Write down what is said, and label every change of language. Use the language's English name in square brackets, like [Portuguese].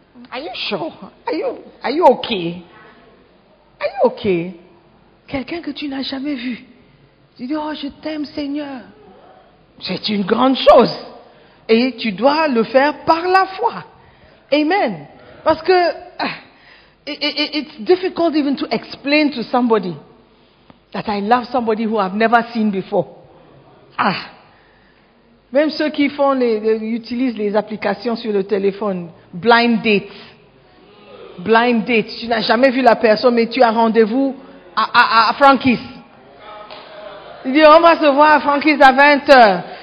[English] Are you sure? Are you okay? [French] Quelqu'un que tu n'as jamais vu. Tu dis, oh, je t'aime Seigneur. C'est une grande chose. Et tu dois le faire par la foi. Amen. Parce que [English] it's difficult even to explain to somebody that I love somebody who I've never seen before. Ah. [French] Même ceux qui font utilisent les applications sur le téléphone, blind date. Tu n'as jamais vu la personne, mais tu as rendez-vous à Frankie's. Il dit, on va se voir à Frankie's à 20h.